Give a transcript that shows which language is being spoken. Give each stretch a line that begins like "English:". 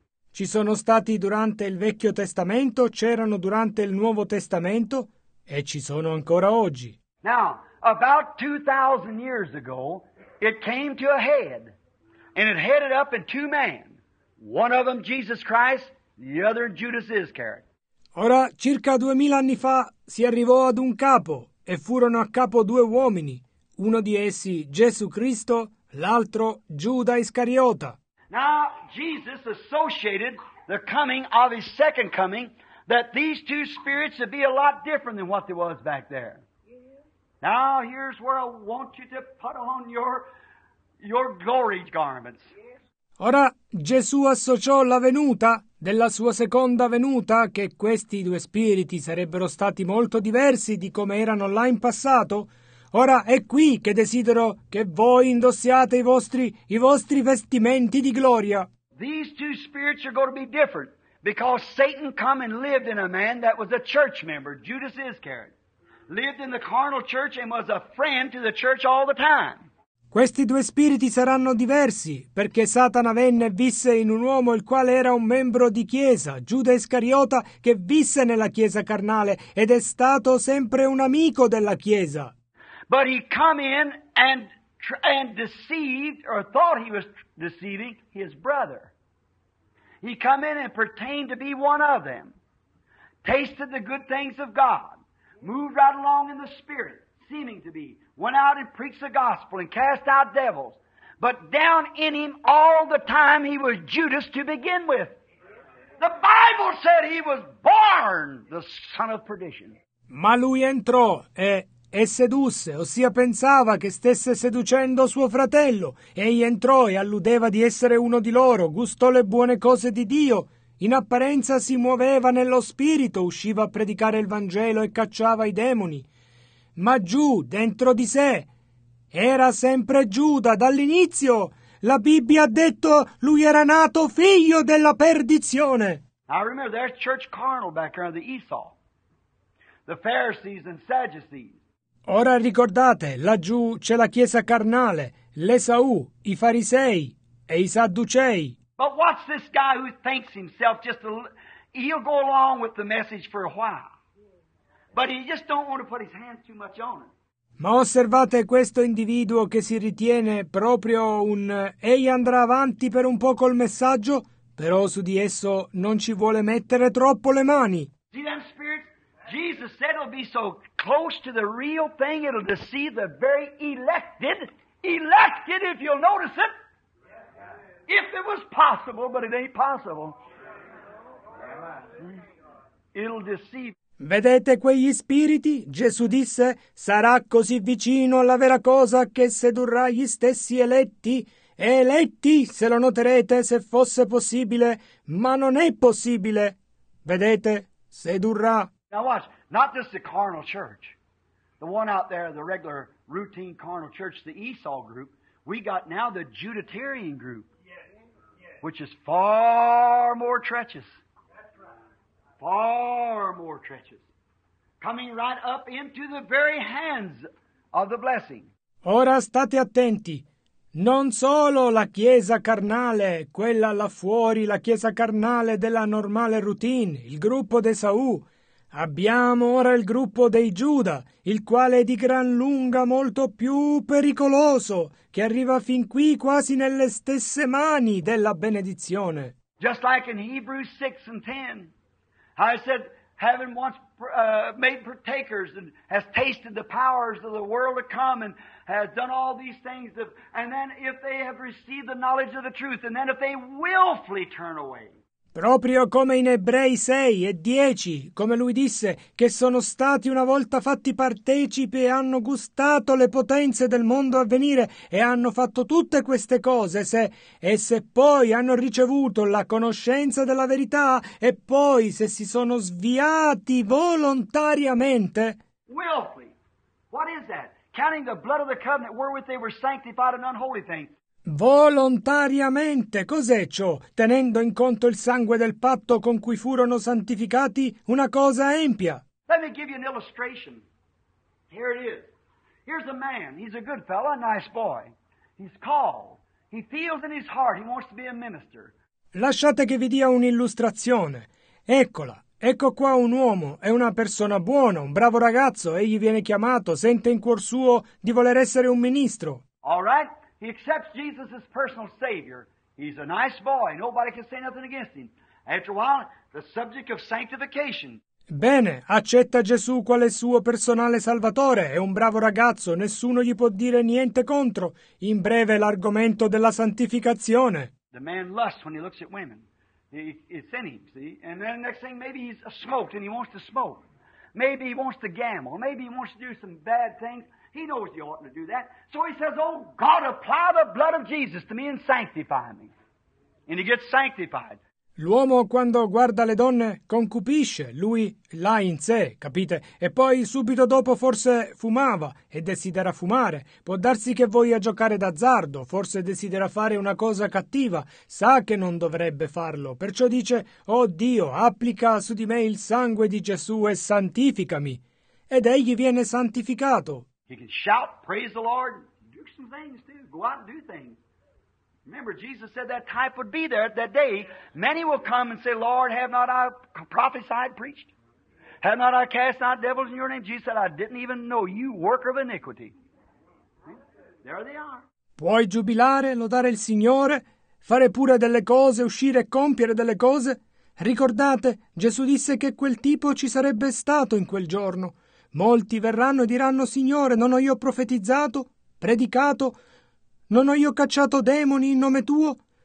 Italian: Ci sono stati durante il Vecchio Testamento, c'erano durante il Nuovo Testamento e ci sono ancora oggi.
English: Now, about 2,000 years ago, it came to a head, and it headed up in two men, one of them Jesus Christ, the other Judas Iscariot.
Italian: Ora, circa 2,000 anni fa, si arrivò ad un capo, e furono a capo due uomini, uno di essi Gesù Cristo, l'altro Giuda Iscariota.
English: Now, Jesus associated the coming of his second coming, that these two spirits would be a lot different than what they was back there. Now here's where I want you to put on your glory garments.
Italian: Ora Gesù associò la venuta della sua seconda venuta che questi due spiriti sarebbero stati molto diversi di come erano là in passato. Ora è qui che desidero che voi indossiate i vostri vestimenti di gloria.
English: These two spirits are going to be different because Satan come and lived in a man that was a church member, Judas Iscariot. Lived in the carnal church and was a friend to the church all the time.
Italian: Questi due spiriti saranno diversi, perché Satana venne e visse in un uomo il quale era un membro di chiesa, Giuda Iscariota, che visse nella chiesa carnale ed è stato sempre un amico della chiesa.
English: But he come in and deceived, or thought he was deceiving, his brother. He come in and pretended to be one of them. Tasted the good things of God. Moved right along in the spirit, seeming to be, went out and preached the gospel and cast out devils. But down in him all the time he was Judas to begin with. The Bible said he was born the son of perdition.
Italian: Ma lui entrò e sedusse, ossia pensava che stesse seducendo suo fratello. Egli entrò e alludeva di essere uno di loro, gustò le buone cose di Dio. In apparenza si muoveva nello spirito, usciva a predicare il Vangelo e cacciava i demoni. Ma giù, dentro di sé, era sempre Giuda dall'inizio. La Bibbia ha detto lui era nato figlio della perdizione.
English: I remember there's church carnal back around the Esau, the Pharisees and Sadducees.
Italian: Ora ricordate, laggiù c'è la chiesa carnale, l'Esau, i farisei e i sadducei.
English: But what's this guy who thinks himself just a little, he'll go along with the message for a while. But he just don't want to put his hands too much on it.
Italian: Ma osservate questo individuo che si ritiene proprio un egli andrà avanti per un po' col messaggio, però su di esso non ci vuole mettere troppo le mani.
English: See them spirits? Jesus said it'll be so close to the real thing it'll deceive the very elected. Elected, if you'll notice it. If it was possible, but it ain't possible. It'll deceive.
Italian: Vedete quegli spiriti? Gesù disse, sarà così vicino alla vera cosa che sedurrà gli stessi eletti. E eletti, se lo noterete, se fosse possibile, ma non è possibile. Vedete, sedurrà.
English: Now watch, not just the carnal church. The one out there, the regular routine carnal church, the Esau group. We got now the Judatarian group. Which is far more treacherous. Far more treacherous. Coming right up into the very hands of the blessing.
Italian: Ora state attenti. Non solo la chiesa carnale, quella là fuori, la chiesa carnale della normale routine, il gruppo di Esau. Abbiamo ora il gruppo dei Giuda, il quale è di gran lunga molto più pericoloso, che arriva fin qui quasi nelle stesse mani della benedizione.
English: Just like in Hebrews 6 and 10, how it said, having once made partakers and has tasted the powers of the world to come and has done all these things, and then if they have received the knowledge of the truth, and then if they willfully turn away.
Italian: Proprio come in Ebrei 6 e 10, come lui disse, che sono stati una volta fatti partecipi e hanno gustato le potenze del mondo a venire e hanno fatto tutte queste cose, se poi hanno ricevuto la conoscenza della verità e poi se si sono sviati volontariamente.
English: Willfully. What is that? Counting the blood of the covenant wherewith they were sanctified an unholy thing.
Italian: Volontariamente, cos'è ciò? Tenendo in conto il sangue del patto con cui furono santificati, una cosa empia.
English: Let me give you an illustration. Here it is. Here's a man. He's a good fellow, a nice boy. He's called. He feels in his heart he wants to be a minister.
Italian: Lasciate che vi dia un'illustrazione. Eccola. Ecco qua un uomo, è una persona buona, un bravo ragazzo, egli viene chiamato, sente in cuor suo di voler essere un ministro.
English: All right. He accepts Jesus as personal Savior. He's a nice boy. Nobody can say nothing against him. After a while, the subject of sanctification.
Italian: Bene, accetta Gesù quale suo personale salvatore. È un bravo ragazzo. Nessuno gli può dire niente contro. In breve, l'argomento della santificazione.
English: The man lusts when he looks at women. It's in him, see? And then the next thing, maybe he's smoked and he wants to smoke. Maybe he wants to gamble. Maybe he wants to do some bad things. He knows he oughtn't to do that. So he says, oh God, apply the blood of Jesus to me and sanctify me. And he gets sanctified.
Italian: L'uomo quando guarda le donne concupisce, lui là in sé, capite? E poi subito dopo forse fumava e desidera fumare. Può darsi che voglia giocare d'azzardo, forse desidera fare una cosa cattiva. Sa che non dovrebbe farlo, perciò dice, oh Dio, applica su di me il sangue di Gesù e santificami. Ed egli viene santificato.
English: He can shout, praise the Lord, do some things too, go out and do things. Remember, Jesus said that type would be there that day. Many will come and say, Lord, have not I prophesied, preached? Have not I cast out devils in your name? Jesus said, I didn't even know you, worker of iniquity. There they are.
Italian: Puoi giubilare, lodare il Signore, fare pure delle cose, uscire e compiere delle cose? Ricordate, Gesù disse che quel tipo ci sarebbe stato in quel giorno. Molti verranno e diranno, Signore, non ho io profetizzato, predicato, non ho io cacciato demoni in nome tuo?